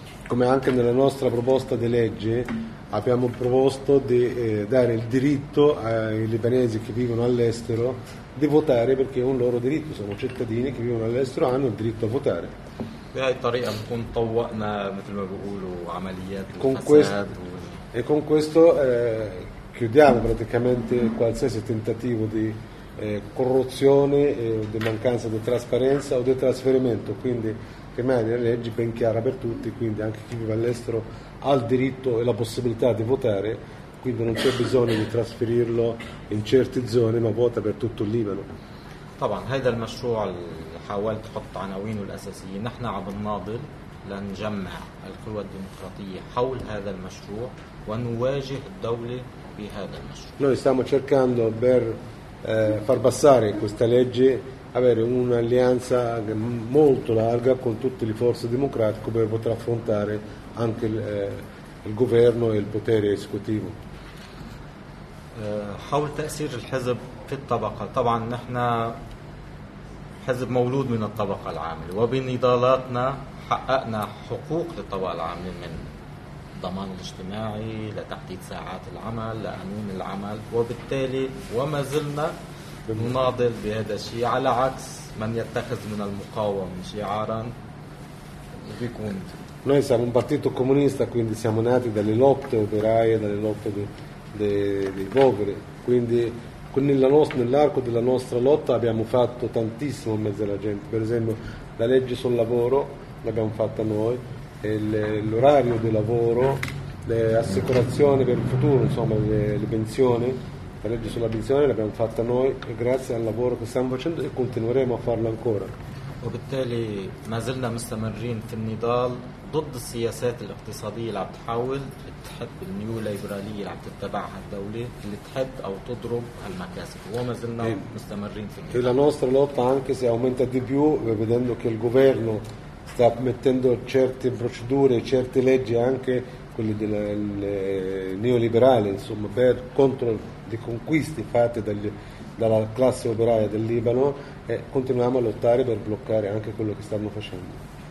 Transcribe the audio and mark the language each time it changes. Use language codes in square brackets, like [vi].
[it] Come anche nella nostra proposta di legge abbiamo proposto di dare il diritto ai libanesi che vivono all'estero di votare perché è un loro diritto, sono cittadini che vivono all'estero hanno il diritto a votare. [ar] بهاي الطريقة بنكون طوقنا مثل ما بيقولوا عمليات [it] e con questo chiudiamo praticamente qualsiasi tentativo di corruzione o di mancanza di trasparenza o di trasferimento, quindi rimane la legge ben chiara per tutti, quindi anche chi vive all'estero ha il diritto e la possibilità di votare, quindi non c'è bisogno di trasferirlo in certe zone ma vota per tutto il Libano. [ar] طبعا هيدا المشروع اللي حاولت احط عناوينه الاساسيه، نحن عم نناضل لنجمع القوى الديمقراطيه حول هذا المشروع ونواجه الدوله. [it] Noi stiamo cercando per far passare questa legge, avere un'alleanza molto larga con tutte le forze democratiche per poter affrontare anche il governo e il potere esecutivo. [ar] حول تأثير الحزب في الطبقة، طبعا نحن حزب مولود من الطبقة العاملة وبنضالاتنا حققنا حقوق للطبقة العاملة من الضمان الاجتماعي لتحديد ساعات العمل لقانون العمل، وبالتالي وما زلنا نناضل بهذا الشيء على عكس من يتخذ من المقاومة شعارا وبيكون. [it] Noi siamo un partito comunista, quindi siamo nati dalle lotte operaie, dalle lotte dei poveri, quindi nell'arco della nostra lotta abbiamo fatto tantissimo in mezzo alla gente. Per esempio la legge sul lavoro l'abbiamo fatta noi, l'orario di lavoro le assicurazioni per il futuro, insomma le pensioni, la legge sulla pensione l'abbiamo fatta noi e grazie al lavoro che stiamo facendo e continueremo a farlo ancora. [ar] وبالتالي ما زلنا مستمرين في النضال ضد السياسات الاقتصادية اللي عم تحاول تحد النيو ليبرالية اللي عم تتبعها الدولة اللي تحد أو تضرب المكاسب وما زلنا مستمرين في النضال. [it] La nostra lotta anche se aumenta di più vedendo che il governo sta mettendo certe procedure, certe leggi anche quelle delle neoliberali insomma per contro le conquiste fatte dalla classe operaia del Libano e continuiamo a lottare per bloccare anche quello che stanno facendo.